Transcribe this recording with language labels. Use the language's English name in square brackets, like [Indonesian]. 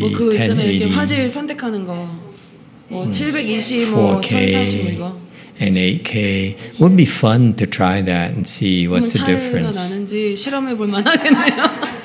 [Korean] 뭐 그 있잖아요, 화질 선택하는 거. 뭐 720, 뭐 1040 이거. [English] And 8K. Would be fun to try that and see what's the difference. [Korean] 차이가 나는지 실험해 볼 만하겠네요.